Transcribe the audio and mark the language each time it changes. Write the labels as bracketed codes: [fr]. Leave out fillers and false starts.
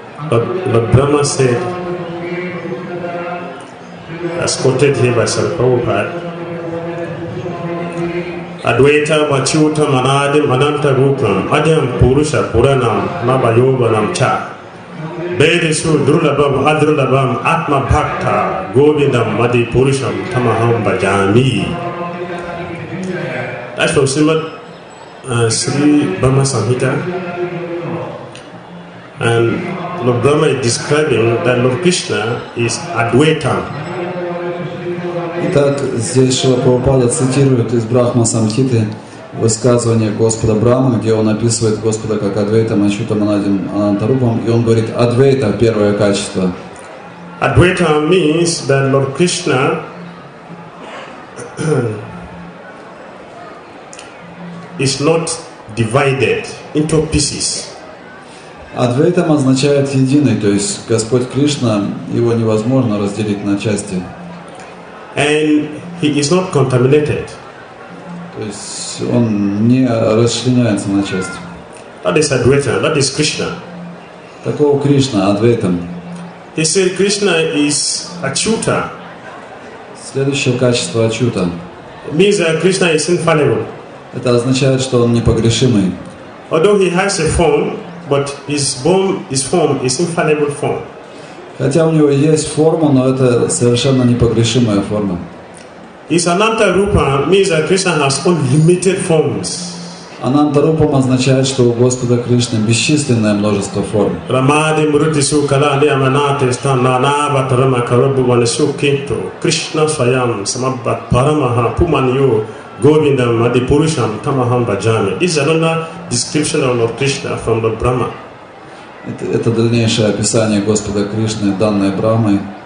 [en] But Brahma said, as quoted here by Sri Prabhupada, [sa] Advaita Vachyuta Manadim Ananta Rupam Adyam Purusha Puranam Mabayobanam Cha Bedesu Drulabam Adrulabam Atma Bhakta Govindam Madhi Purusham Tamaham Bhajami. [en] That's from Srimad Sri Brahma Samhita. And Lord Brahma is describing that Lord Krishna is Advaita. [ru] Итак, здесь Шрила Прабхупада цитирует из Брахма Самхиты высказывание Господа Брахмы, где он описывает Господа как [sa] Адвейта Мачута Манадим Анантарупам, [ru] и он говорит «Адвейта» — первое качество. [en] Адвейта means that Lord Krishna is not divided into pieces. [ru] Адвейта означает «единый», то есть Господь Кришна, его невозможно разделить на части. [en] And he is not contaminated. [ru] То есть он не расчленяется на части. [en] That is Advaita, that is Krishna. [ru] Такого Кришна, Адвейтам. [en] He said Krishna is Achyuta. [ru] Следующее качество Achyuta. [en] Means that Krishna is infallible. [ru] Это означает, что он непогрешимый. [en] Although he has a form, but his form is infallible form. [ru] Хотя у него есть форма, но это совершенно непогрешимая форма. [en] His ananta rupa means that Krishna has unlimited forms. [ru] Ананта рупам означает, что у Господа Кришны бесчисленное множество форм. [sa] Рамади мрутису калали аманате стандана ватарама карабу ванесу кинто Кришна свайам самаббат парамаха пуманью говиндам мадипурушам тамахам баджами. [en] This is another description of Lord Krishna from the Brahma. [ru] Это дальнейшее описание Господа Кришны, данное Брахмой.